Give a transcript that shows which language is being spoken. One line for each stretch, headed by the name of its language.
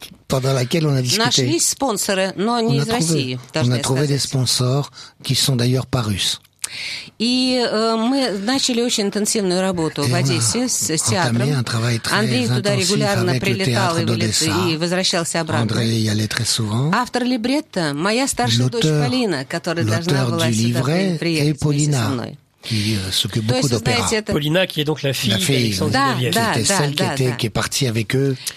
Russian: Нашлись спонсоры, но не из России.
French: On a trouvé des sponsors qui sont d'ailleurs pas russes.
Russian: И мы начали очень интенсивную работу в Одессе с театром. Андрей туда регулярно прилетал и возвращался обратно. Автор либретто – моя старшая дочь Полина, которая должна была сюда приехать вместе со мной. То есть, знаете, это...
French: Полина, qui est donc la fille d'Alexandre Zinoviev, qui était celle qui est partie avec eux